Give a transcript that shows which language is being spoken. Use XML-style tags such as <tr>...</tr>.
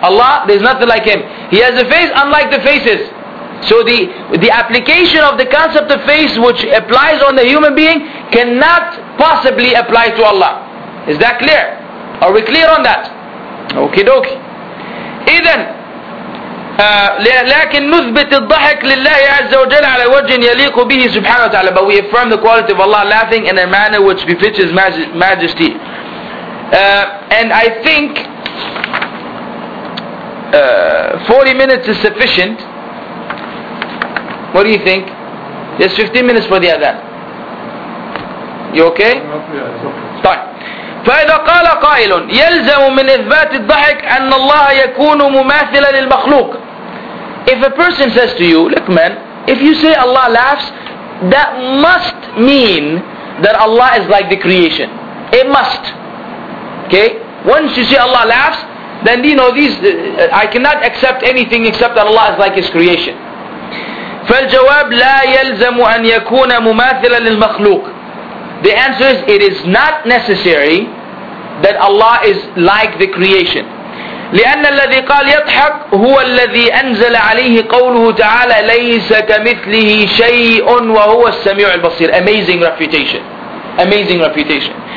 <en>Allah, there's nothing like Him. He has a face unlike the faces. So the application of the concept of face, which applies on the human being, cannot possibly apply to Allah. Is that clear? Are we clear on that? Okie dokie.</en> <ar>إذن لكن نثبت الضحك لله عز وجل على وجه يليق به سبحانه وتعالى.</ar> <en>But we affirm the quality of Allah laughing in a manner which befits His majesty. And I think 40 minutes is sufficient. What do you think? There's 15 minutes for the adhan. You okay? Fine.</en> <ar>فإذا قال قائل يلزم من إثبات الضحك أن الله يكون مماثلا للمخلوق.</ar> <en>If a person says to you, look man, if you say Allah laughs, that must mean that Allah is like the creation. It must. Okay? Once you say Allah laughs, then you know these, I cannot accept anything except that Allah is like His creation.</en> <ar>فالجواب لا يلزم أن يكون مماثلا للمخلوق.</ar> <en>The answer is, it is not necessary that Allah is like the creation.</en> <ar>لِأَنَّ الَّذِي قَالْ يَضْحَقْ هُوَ الَّذِي أَنْزَلَ عَلَيْهِ قَوْلُهُ تَعَالَى لَيْسَ كَمِثْلِهِ شَيْءٌ وَهُوَ السَّمِيعُ الْبَصِيرُ.</ar> <en>Amazing refutation. Amazing refutation.</en>